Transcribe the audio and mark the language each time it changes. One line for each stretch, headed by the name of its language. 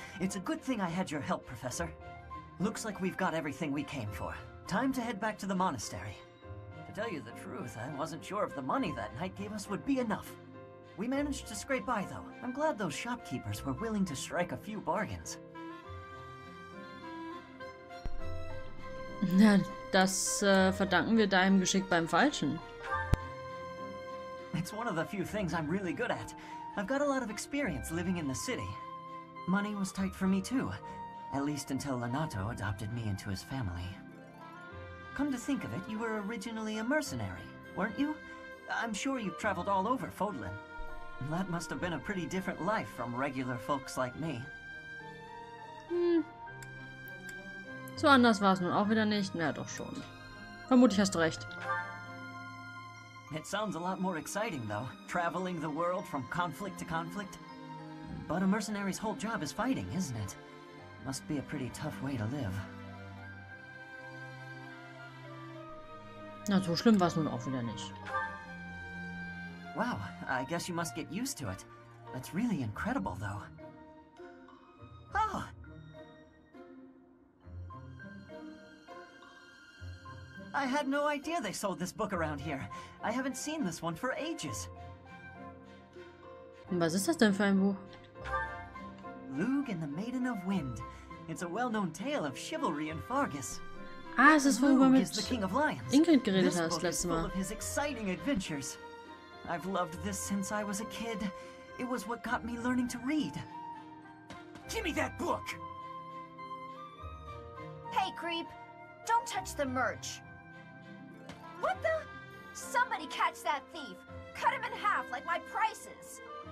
English: It's a good thing I had your help, Professor. Looks like we've got everything we came for. Time to head back to the monastery. To tell you the truth, I wasn't sure if the money that knight gave us would be enough. We managed to scrape by, though. I'm glad those shopkeepers were willing to strike a few bargains.
German: Na, das verdanken wir deinem Geschick beim Falschen.
English: It's one of the few things I'm really good at. I've got a lot of experience living in the city. Money was tight for me, too. At least until Lenato adopted me into his family. Come to think of it, you were originally a mercenary, weren't you? I'm sure you've traveled all over Fodlin. That must have been a pretty different life from regular folks like me.
German: So anders war es nun auch wieder nicht. Na doch schon. Vermutlich hast du recht.
English: It sounds a lot more exciting, though. Traveling the world from conflict to conflict. But a mercenary's whole job is fighting, isn't it? Must be a pretty tough way to live.
German: Na, so schlimm war es nun auch wieder nicht.
English: Wow, I guess you must get used to it. That's really incredible, though. Oh! I had no idea they sold this book around here. I haven't seen this one for ages.
German: Was ist das denn für ein Buch?
English: Lug and the Maiden of Wind. It's a well-known tale of chivalry and Fargus.
German: Ah, es ist, worüber mit Ingrid geredet hast, letztes Mal.
English: His exciting adventures. I've loved this since I was a kid. It was what got me learning to read. Give me that book! Hey, creep! Don't touch the merch! What the? Somebody catch that thief! Cut him in half like my prices!